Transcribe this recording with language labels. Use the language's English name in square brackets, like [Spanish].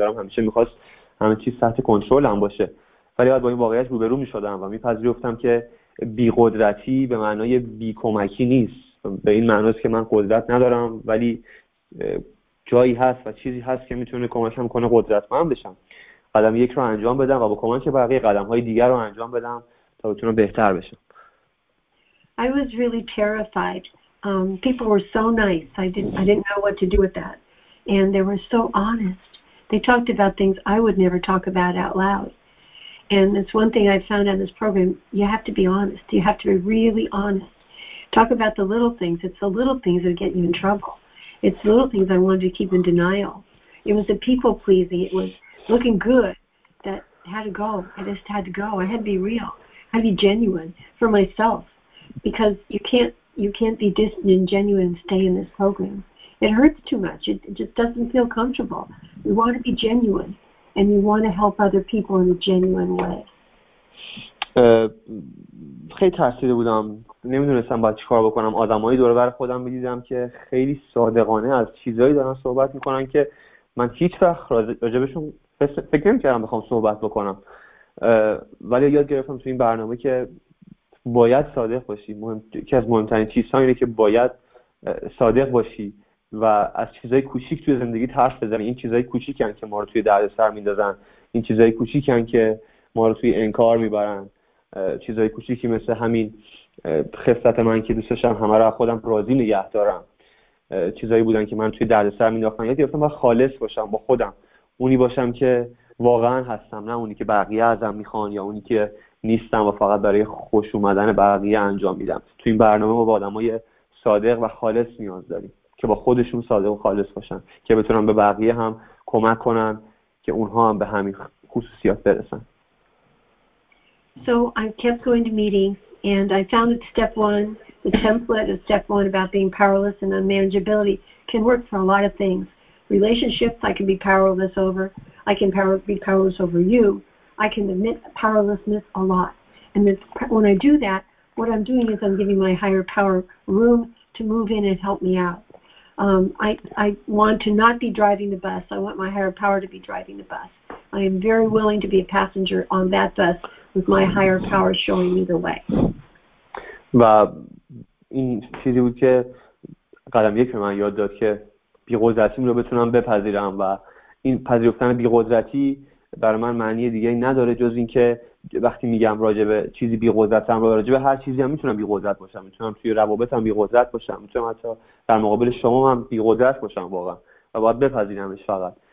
[Persian] دارم همیشه میخواست همه چیز تحت کنترلم باشه. ولی بعد با این واقعیت روبرو میشدم و میپذیرفتم که بیقدرتی به معنای بیکمکی نیست. به این معنی که من قدرت ندارم، ولی جایی هست و چیزی هست که میتونه کمکم کنه قدرتمند بشم. قدم یک رو انجام بدم و با کمک بقیه قدم‌های دیگر رو انجام بدم تا بتونم بهتر بشم. [English] I was really terrified. People were so nice. I didn't know what to do with that. And they were so honest. They talked about things I would never talk about out loud. And it's one thing I found in this program, you have to be honest. You have to be really honest. Talk about the little things. It's the little things that get you in trouble. It's the little things I wanted to keep in denial. It was the people pleasing. It was looking good that had to go. I just had to go. I had to be real. I had to be genuine for myself, because you can't be distant and genuine and stay in this program. It hurts too much. It just doesn't feel comfortable. You want to be genuine, and you want to help other people in a genuine way. [Persian] خیلی ترسیده بودم، نمیدونستم باید چیکار بکنم. آدمای دور و بر خودم می‌دیدم که خیلی صادقانه از چیزایی دارن صحبت می‌کنن که من هیچ وقت راجبشون فکر نمی‌کردم بخوام صحبت بکنم. ولی یاد گرفتم تو این برنامه که باید صادق باشی. یکی از مهمترین چیزها اینه که باید صادق باشی و از چیزای کوچیک توی زندگی حرف بزنی. این چیزای کوچیکن که ما رو توی دردسر می‌ندازن، این چیزای کوچیکن که ما رو توی انکار می‌برن، چیزهای کوچیکی مثل همین خفت من که دوستشم همه را خودم راضی نگه دارم، چیزهایی بودن که من توی دردسر می‌ناختم. یاد گرفتم باید خالص باشم با خودم، اونی باشم که واقعا هستم، نه اونی که بقیه ازم میخوان یا اونی که نیستم و فقط برای خوش اومدن بقیه انجام میدم. توی این برنامه ما با آدمای صادق و خالص نیاز داریم که با خودشون صادق و خالص باشن که بتونن به بقیه هم کمک کنن که اونها هم به همین خصوصیات برسن. [English] So I kept going to meetings, and I found that step one, the template of step one about being powerless and unmanageability, can work for a lot of things. Relationships, I can be powerless over. I can be powerless over you. I can admit powerlessness a lot. And when I do that, what I'm doing is I'm giving my higher power room to move in and help me out. I want to not be driving the bus. I want my higher power to be driving the bus. I am very willing to be a passenger on that bus, with my higher power showing me the way. [Persian] و این چیزی بود که قدم یک به من یاد داد که بی‌قدرتیم رو بتونم بپذیرم. و این پذیرفتن بی‌قدرتی برای من معنی دیگه‌ای نداره جز این که وقتی میگم راجع به چیزی بی قدرتم، راجع به هر چیزی هم میتونم بی قدرت باشم، میتونم توی روابطم بی قدرت باشم، میتونم حتی در مقابل شما هم بی قدرت باشم واقعا، و باید بپذیرمش فقط.